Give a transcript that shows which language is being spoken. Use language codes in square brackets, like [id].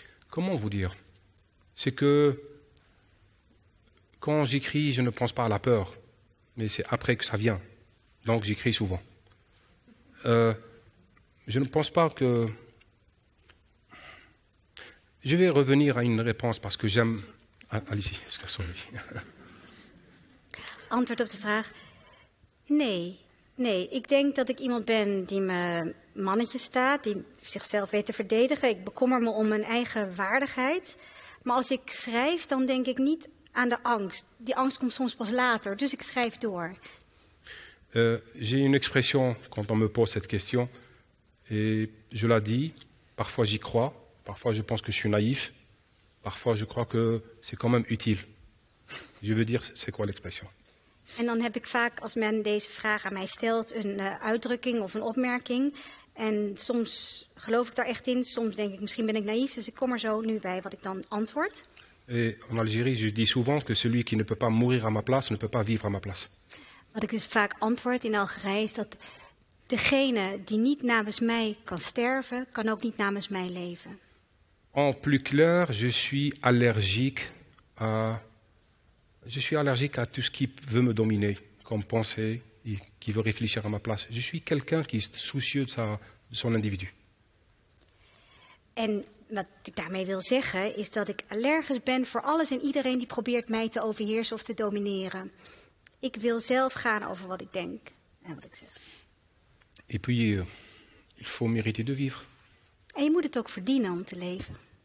[fr] Comment vous dire? C'est que. Quand j'écris, je ne pense pas à la peur, mais c'est après que ça vient. Donc j'écris souvent. Je ne pense pas que... Je vais revenir à une réponse parce que j'aime... Ah, allez-y, est-ce que ça va? [nl] Antwoord op de vraag. Nee, ik denk dat ik iemand ben die me mannetje staat, die zichzelf weet te verdedigen. Ik bekommer me om mijn eigen waardigheid. Maar als ik schrijf, dan denk ik niet aan de angst. Die angst komt soms pas later, dus ik schrijf door. [fr] J'ai une expression quand on me pose cette question et je la dis, parfois j'y crois, parfois je pense que je suis naïf, parfois je crois que c'est quand même utile. Je veux dire, c'est quoi l'expression? [nl] En dan heb ik vaak, als men deze vraag aan mij stelt, een uitdrukking of een opmerking. En soms geloof ik daar echt in, soms denk ik, misschien ben ik naïef, dus ik kom er zo nu bij wat ik dan antwoord. [fr] Et en Algérie, je dis souvent que celui qui ne peut pas mourir à ma place ne peut pas vivre à ma place. [nl] Wat ik dus vaak antwoord in Algerije is dat degene die niet namens mij kan sterven, kan ook niet namens mij leven. [fr] En plus clair, je suis allergique à tout ce qui veut me dominer, comme penser et qui veut réfléchir à ma place. Je suis quelqu'un qui est soucieux de son individu. [nl] En wat ik daarmee wil zeggen is dat ik allergisch ben voor alles en iedereen die probeert mij te overheersen of te domineren. Ik wil zelf gaan over wat ik denk en wat ik zeg. [fr] Et puis, il faut mériter de vivre. [nl] En je moet het ook verdienen om te leven.